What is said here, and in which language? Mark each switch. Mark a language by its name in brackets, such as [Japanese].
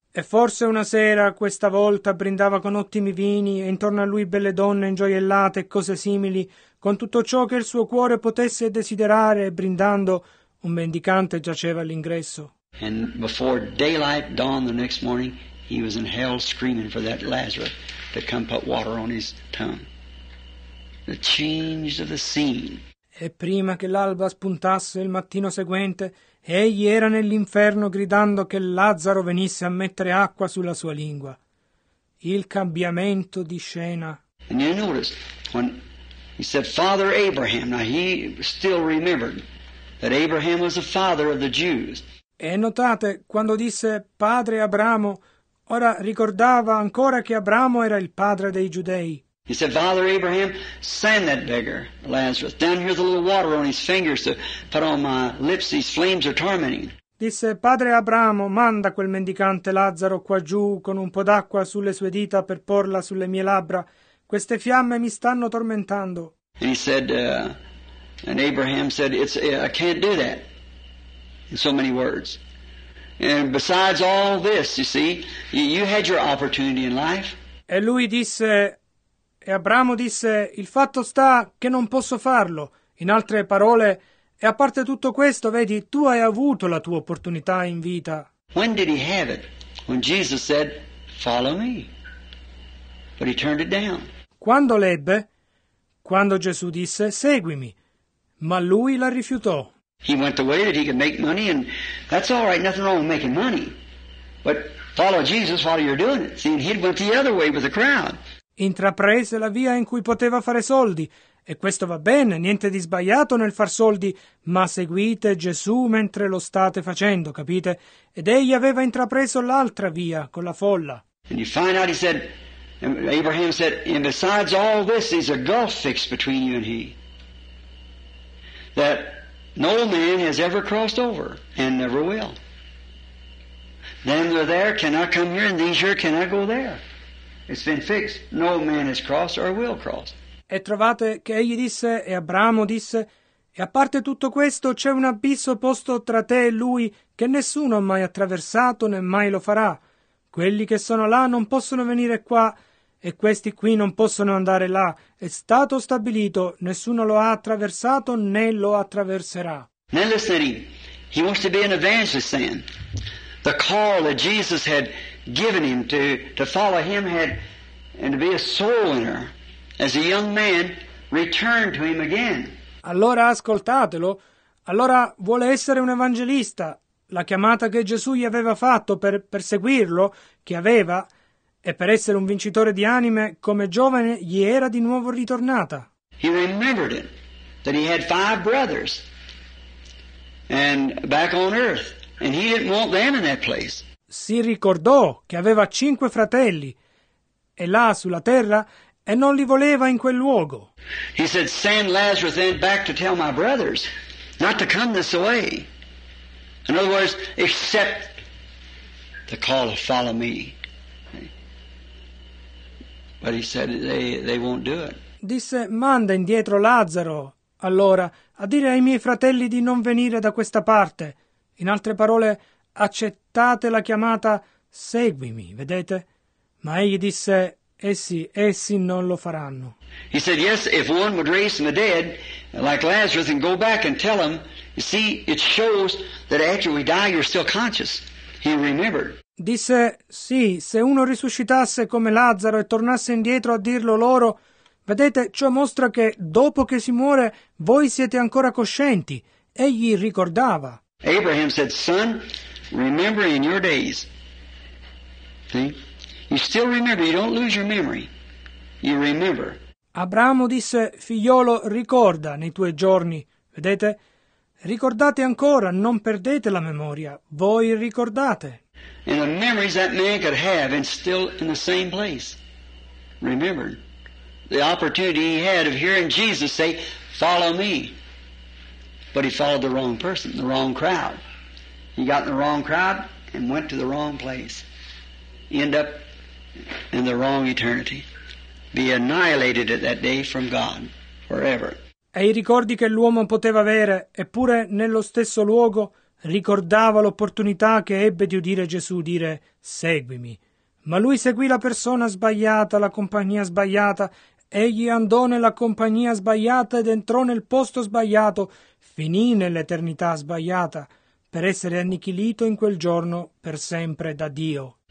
[Italian] E forse una sera, questa volta, brindava con ottimi vini e intorno a lui belle donne ingioiellate e cose simili, con tutto ciò che il suo cuore potesse desiderare, e brindando, un mendicante giaceva all'ingresso. [English] And before daylight dawned the next morning, he was in hell screaming for that Lazarus to come put water on his tongue. The change of the scene. [Italian] E prima che l'alba spuntasse il mattino seguente, egli era nell'inferno gridando che Lazzaro venisse a mettere acqua sulla sua lingua. Il cambiamento di scena. [English] And you notice, when he said, Father Abraham, now he still remembered that Abraham was the father of the Jews. [Italian] E notate, quando disse, Padre Abramo, ora ricordava ancora che Abramo era il padre dei giudei. [English] He said, Father Abraham, send that beggar, Lazarus, down here with a little water on his fingers to put on my lips, these flames are tormenting. [Italian] Disse, Padre Abramo, manda quel mendicante Lazzaro qua giù con un po' d'acqua sulle sue dita per porla sulle mie labbra. Queste fiamme mi stanno tormentando. [English] And he said, and Abraham said, I can't do that, in so many words. And besides all this, you see, you had your opportunity in life. [Italian] E lui disse, e Abramo disse, il fatto sta che non posso farlo. In altre parole, e a parte tutto questo, vedi, tu hai avuto la tua opportunità in vita. [English] When did he have it? When Jesus said, follow me. But he turned it down. [Italian] Quando l'ebbe? Quando Gesù disse, seguimi. Ma lui la rifiutò. [English] He went the way that he could make money, and that's all right, nothing wrong with making money. But follow Jesus while you're doing it. See, and he went the other way with the crowd. [Italian] Intraprese la via in cui poteva fare soldi. E questo va bene, niente di sbagliato nel far soldi, ma seguite Gesù mentre lo state facendo, capite? Ed egli aveva intrapreso l'altra via con la folla. [English] And you find out, he said, Abraham said, and besides all this is a gulf fixed between you and he, that no man has ever crossed over and never will. Them that are there cannot come here, and these here cannot go there. It's been fixed. No man has crossed or will cross. [Italian] E trovate che egli disse, e Abramo disse, e a parte tutto questo c'è un abisso posto tra te e lui che nessuno ha mai attraversato né mai lo farà. Quelli che sono là non possono venire qua, e questi qui non possono andare là. È stato stabilito, nessuno lo ha attraversato né lo attraverserà. Nella [English] city, he wants to be an evangelist then. The call that Jesus had given him to follow him had, and to be a soul winner. As a young man, return to him again. [Italian] Allora ascoltatelo. Allora vuole essere un evangelista. La chiamata che Gesù gli aveva fatto per perseguirlo, che aveva, e per essere un vincitore di anime, come giovane, gli era di nuovo ritornata. [English] He remembered it, that he had five brothers, and back on earth, and he didn't want them in that place. [Italian] Si ricordò che aveva cinque fratelli, e là sulla terra, e non li voleva in quel luogo. [English] He said, send Lazarus then back to tell my brothers not to come this way. In other words, accept the call to follow me. But he said, they won't do it. [Italian] Disse, manda indietro Lazzaro, allora, a dire ai miei fratelli di non venire da questa parte. In altre parole, accettate la chiamata, seguimi, vedete? Ma egli disse, essi non lo faranno. [English] He said, yes, if one would raise from the dead, like Lazarus, and go back and tell him, you see, it shows that after we die, you're still conscious. He remembered. [Italian] Disse, sì, se uno risuscitasse come Lazzaro e tornasse indietro a dirlo loro, vedete, ciò mostra che dopo che si muore, voi siete ancora coscienti. Egli ricordava. [English] Abraham said, son, remember in your days. See? You still remember, you don't lose your memory. You remember. [Italian] Abramo disse, figliolo, ricorda nei tuoi giorni, vedete? Ricordate ancora, non perdete la memoria, voi ricordate. [English] And the memories that man could have and still in the same place. Remember the opportunity he had of hearing Jesus say, follow me. But he followed the wrong person, the wrong crowd. He got in the wrong crowd and went to the wrong place. End up in the wrong eternity, be annihilated at that day from God forever. [Italian] E i ricordi che l'uomo poteva avere, eppure nello stesso luogo ricordava l'opportunità che ebbe di udire Gesù dire seguimi, ma lui seguì la persona sbagliata, la compagnia sbagliata. Egli andò nella compagnia sbagliata ed entrò nel posto sbagliato, finì nell'eternità sbagliata per essere annichilito in quel giorno per sempre da Dio.